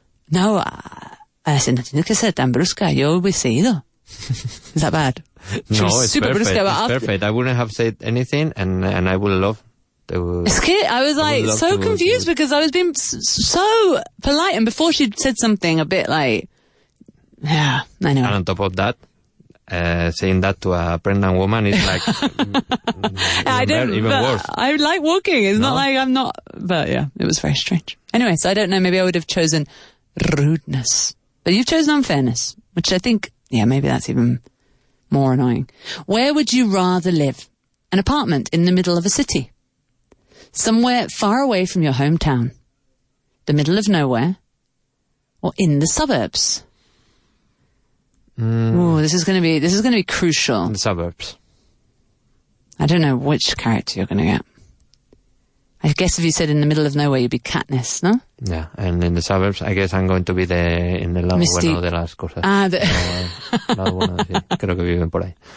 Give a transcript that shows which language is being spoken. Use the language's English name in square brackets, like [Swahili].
[English] No, I said, [Spanish] no tiene que ser tan brusca. Yo hubiese ido. [English] Is that bad? She no, it's super perfect. Brusca, it's perfect. I wouldn't have said anything and I would love to. It's good. I was like so confused because I was being so polite and before she'd said something a bit like, yeah, anyway. And on top of that, saying that to a pregnant woman is like even worse. I like walking. It's not like I'm not, but yeah, it was very strange. Anyway, so I don't know. Maybe I would have chosen rudeness, but you've chosen unfairness, which I think, yeah, maybe that's even more annoying. Where would you rather live? An apartment in the middle of a city? Somewhere far away from your hometown? The middle of nowhere? Or in the suburbs? Ooh, this is going to be crucial. In the suburbs. I don't know which character you're going to get. I guess if you said in the middle of nowhere, you'd be Katniss, no? Yeah, and in the suburbs, I guess I'm going to be in the [Spanish] lado bueno de las cosas. [English] Ah, the... [Spanish] lado bueno, sí. Creo que viven por ahí.